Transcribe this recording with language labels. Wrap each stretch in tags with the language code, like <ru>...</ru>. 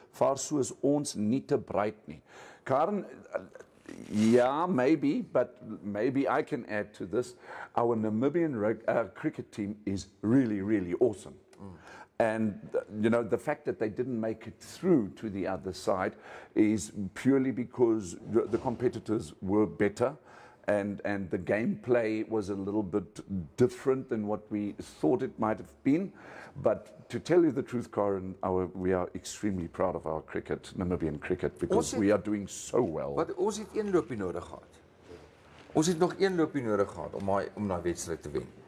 <af>Vaar soos ons nie te breed nie.</af> <en>Karen, maybe I can add to this. Our Namibian cricket team is really, really awesome. And, you know, the fact that they didn't make it through to the other side is purely because the competitors were better and the gameplay was a little bit different than what we thought it might have been. But to tell you the truth, Karen, we are extremely proud of our cricket, Namibian cricket, because we are doing so well.</en> <af>But ons het een loopie nodig gehad. Ons het nog een loopie nodig gehad om daai wedstryd te wen.</af>